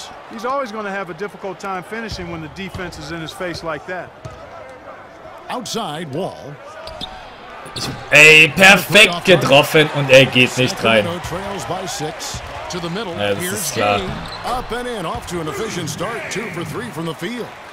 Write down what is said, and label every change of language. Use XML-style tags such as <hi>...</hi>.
<en>He's always going to have a difficult time finishing when the defense is in his face like that. Outside wall.</en> <de>Ey, perfekt getroffen und er geht nicht rein. Ja, das ist klar.</de> <en>Up and in, off to an efficient start, 2 for 3 from the field.</en>